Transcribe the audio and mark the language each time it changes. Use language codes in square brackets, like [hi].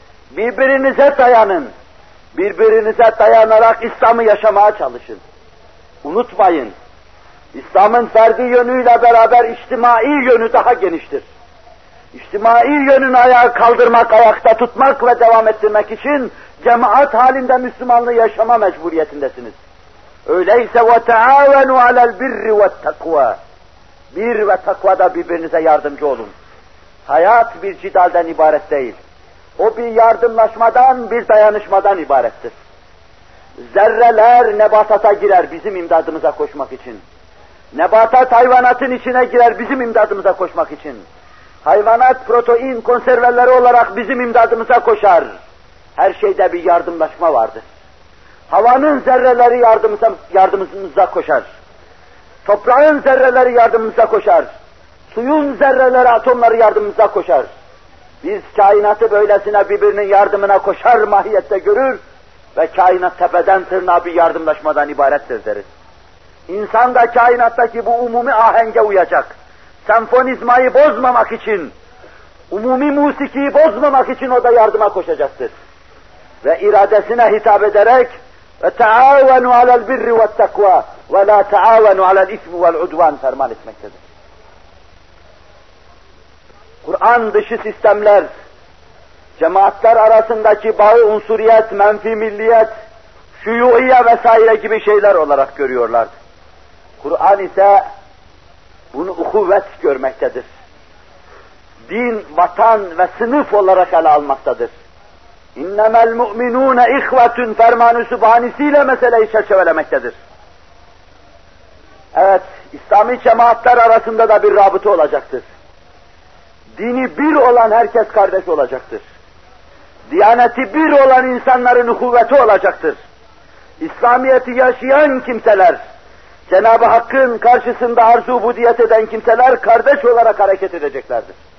[tr] Birbirinize dayanın. Birbirinize dayanarak İslam'ı yaşamaya çalışın. Unutmayın, İslam'ın ferdi yönüyle beraber içtimai yönü daha geniştir. İçtimai yönünü ayağa kaldırmak, ayakta tutmak ve devam ettirmek için cemaat halinde Müslümanlığı yaşama mecburiyetindesiniz. Öyleyse [ar] وَتَعَاوَنُوا عَلَى الْبِرِّ وَالتَّقْوَى. [tr] Bir ve takvada birbirinize yardımcı olun. Hayat bir cidalden ibaret değil. O bir yardımlaşmadan, bir dayanışmadan ibarettir. Zerreler nebatata girer bizim imdadımıza koşmak için. Nebatat hayvanatın içine girer bizim imdadımıza koşmak için. Hayvanat protein konserveleri olarak bizim imdadımıza koşar. Her şeyde bir yardımlaşma vardır. Havanın zerreleri yardımımıza koşar. Toprağın zerreleri yardımımıza koşar. Suyun zerreleri, atomları yardımımıza koşar. Biz kainatı böylesine birbirinin yardımına koşar mahiyette görür ve kainat tepeden tırnağa bir yardımlaşmadan ibarettir deriz. İnsan da kainattaki bu umumi ahenge uyacak. Senfonizmayı bozmamak için, umumi musikiyi bozmamak için o da yardıma koşacaktır. Ve iradesine hitap ederek [ar] وَتَعَاوَنُوا عَلَى الْبِرِّ وَالتَّقْوَى وَلَا تَعَاوَنُوا عَلَى الْإِثْمِ وَالْعُدْوَانِ [tr] ferman etmektedir. Kur'an dışı sistemler, cemaatler arasındaki bağı unsuriyet, menfi milliyet, şuyuiye vesaire gibi şeyler olarak görüyorlardı. Kur'an ise bunu uhuvvet görmektedir. Din, vatan ve sınıf olarak ele almaktadır. [ar] اِنَّمَا الْمُؤْمِنُونَ اِخْوَةٌ [tr] فَرْمَانُ سُبْحَانِسِيْلَ meseleyi çerçevelemektedir. Evet, İslami cemaatler arasında da bir rabıta olacaktır. Dini bir olan herkes kardeş olacaktır. Diyaneti bir olan insanların kuvveti olacaktır. İslamiyeti yaşayan kimseler, Cenab-ı Hakk'ın karşısında arz-ı ubudiyet eden kimseler kardeş olarak hareket edeceklerdir.